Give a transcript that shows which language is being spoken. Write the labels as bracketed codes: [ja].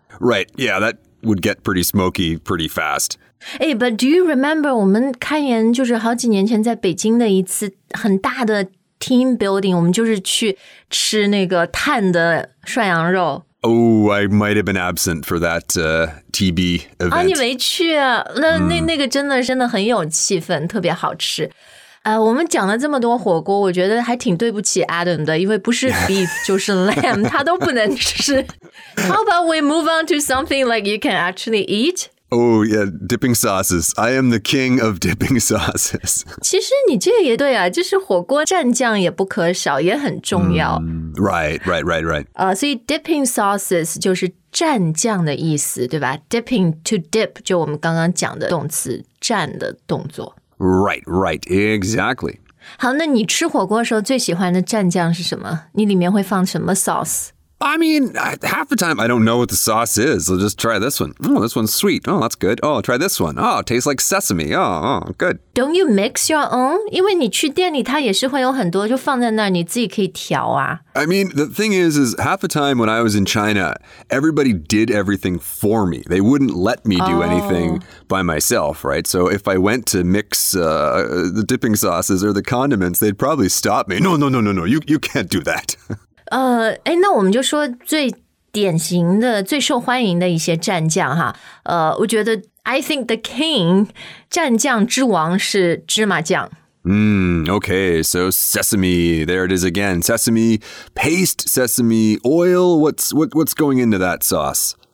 [en] Right, yeah, that would get pretty smoky pretty fast. Hey, but do you remember, [zh] 我们开言就是好几年前在北京的一次很大的 team building, 我们就是去吃那个炭的涮羊肉。 [en] Oh, I might have been absent for that TB event. [zh] 你没去啊。那个真的很有气氛，特别好吃。我们讲了这么多火锅，我觉得还挺对不起 Adam 的，因为不是 beef 就是 lamb, 他都不能吃。 [en] How about we move on to something like you can actually eat? Oh, yeah, dipping sauces. I am the king of dipping sauces. [zh] 其实你这个也对啊，就是火锅蘸酱也不可少，也很重要。 [en] Right. [zh] 所以 dipping sauces 就是蘸酱的意思，对吧 ？Dipping to dip 就我们刚刚讲的动词蘸的动作。 [en] Right, exactly. [zh] 好，那你吃火锅的时候最喜欢的蘸酱是什么？你里面会放什么 sauce？ [en] I mean, half the time I don't know what the sauce is. I'll just try this one. Oh, this one's sweet. Oh, that's good. Oh, try this one. Oh, tastes like sesame. Oh, good. Don't you mix your own? [zh] 因为你去店里它也是会有很多就放在那儿你自己可以调啊。 [en] I mean, the thing is half the time when I was in China, everybody did everything for me. They wouldn't let me do anything by myself, right? So if I went to mix the dipping sauces or the condiments, they'd probably stop me. No. You can't do that. [zh] 那我们就说最典型的、最受欢迎的一些蘸酱哈。我觉得 [en] I think the king [zh] 蘸酱之王是芝麻酱。 [en] Okay, so sesame, there it is again. Sesame paste, sesame oil. What's going into that sauce?